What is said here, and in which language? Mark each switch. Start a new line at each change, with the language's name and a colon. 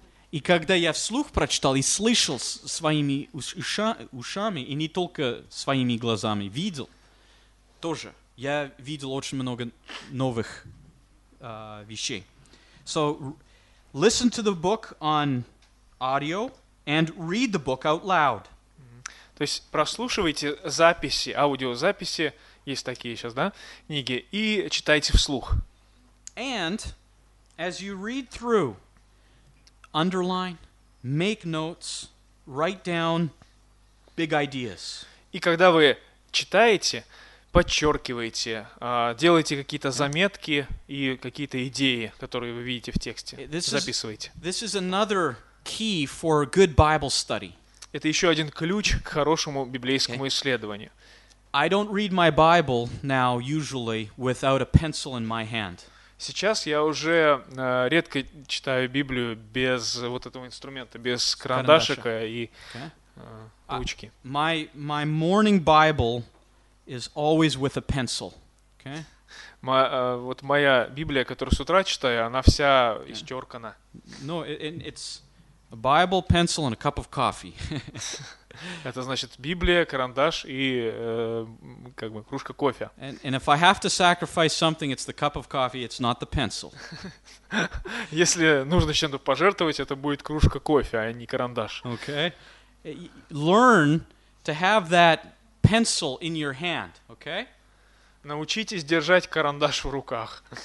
Russian: И когда я вслух прочитал и слышал своими ушами, и не только своими глазами, видел тоже, я видел очень много новых вещей.
English: So, listen to the book on audio and read the book out loud.
Russian: То есть прослушивайте записи, аудиозаписи, есть такие сейчас, да, книги, и читайте вслух.
English: And as you read through, underline, make notes, write down big ideas.
Russian: И когда вы читаете, подчеркиваете, делаете какие-то заметки и какие-то идеи, которые вы видите в тексте, записываете.
English: This is another key for good Bible study.
Russian: Это еще один ключ к хорошему библейскому исследованию.
English: I don't read my Bible now usually without a pencil in my hand.
Russian: Сейчас я уже редко читаю Библию без вот этого инструмента, без карандашика и ручки.
English: My morning Bible is always with a pencil. Okay?
Russian: Вот моя Библия, которую с утра читаю, она вся исчеркана.
English: No, it's a Bible, pencil and a cup of coffee.
Russian: Это значит Библия, карандаш и как бы кружка кофе.
English: And if I have to sacrifice something, it's the cup of coffee, it's not the pencil.
Russian: Если нужно чем-то пожертвовать, это будет кружка кофе, а не карандаш.
English: Okay. Learn to have that pencil in your hand, okay?
Russian: Научитесь держать карандаш в руках.